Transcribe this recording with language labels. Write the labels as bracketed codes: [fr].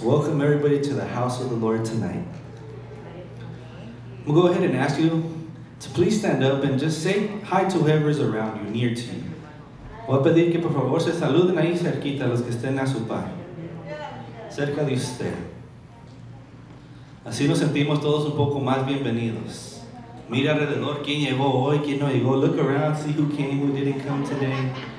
[en] Welcome everybody to the house of the Lord tonight. We'll go ahead and ask you to please stand up and just say hi to whoever is around you, near to you. [es] Voy a pedir que por favor se saluden ahí cerquita los que estén a su par, cerca de usted. Así nos sentimos todos un poco más bienvenidos. Mira alrededor, quién llegó hoy, quién no llegó. [en] Look around, see who came, who didn't come today.